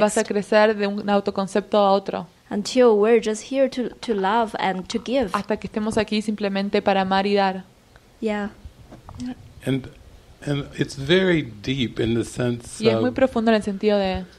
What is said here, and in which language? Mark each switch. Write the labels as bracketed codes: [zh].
[es] Vas a crecer de un autoconcepto a otro. [en] Until we're just here to love and to give. [es] Hasta que estemos aquí simplemente para amar y dar. [en] Yeah. And it's very deep in the sense. [es] Y es muy profundo en el sentido de.